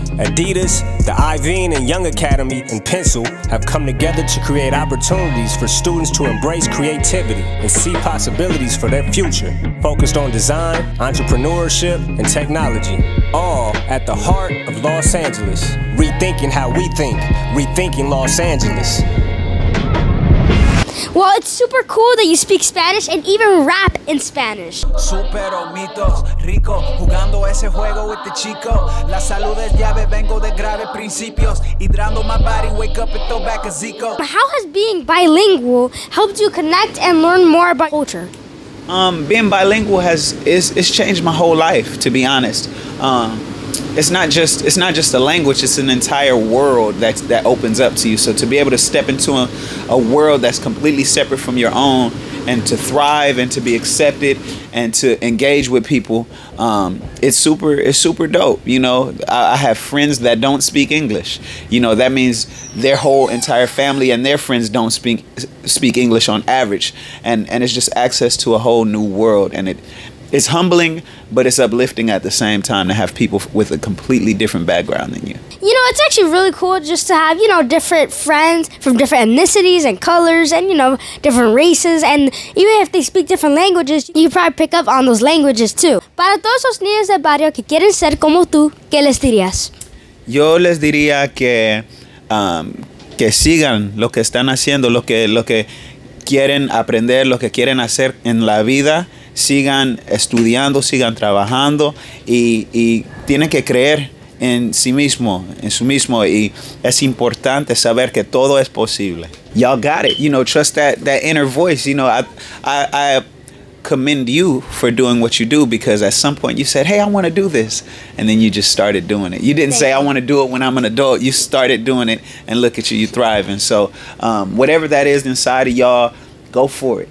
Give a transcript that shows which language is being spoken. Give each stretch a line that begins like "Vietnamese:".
English: Adidas, the Iveen, and Young Academy in Pencil have come together to create opportunities for students to embrace creativity and see possibilities for their future, focused on design, entrepreneurship, and technology, all at the heart of Los Angeles. Rethinking how we think, rethinking Los Angeles. Well, it's super cool that you speak Spanish and even rap in Spanish.
Spanish: Super omitos, rico, jugando ese juego with the chico. La salud es llave, vengo de grave principios.
English: Hidrando my body, wake up and throw back a Zico. How has being bilingual helped you connect and learn more about culture? Being bilingual has changed my whole life, to be honest. It's not just a language, it's an entire world that opens up to you. So to be able to step into a world that's completely separate from your own and to thrive and to be accepted and to engage with people, it's super dope. You know, I have friends that don't speak English. You know, that means their whole entire family and their friends don't speak English on average. And it's just access to a whole new world. And it it's humbling, but it's uplifting at the same time to have people with a completely different background than you. You know, it's actually really cool just to have, you know, different friends from different ethnicities and colors and, you know, different races. And even if they speak different languages, you probably pick up on those languages too.
Spanish: Para todos los niños del barrio que quieren ser como tú, ¿qué les dirías? Yo les diría que, que sigan lo que están haciendo, lo que quieren aprender, lo que quieren hacer en la vida. Sigan estudiando, sigan trabajando y tienen que creer en sí mismo, en su mismo. Y es importante saber que todo es posible.
English: Y'all got it. You know, trust that inner voice. You know, I commend you for doing what you do, because at some point you said, hey, I want to do this. And then you just started doing it. You didn't say, I want to do it when I'm an adult. You started doing it and look at you, you thriving. So whatever that is inside of y'all, go for it.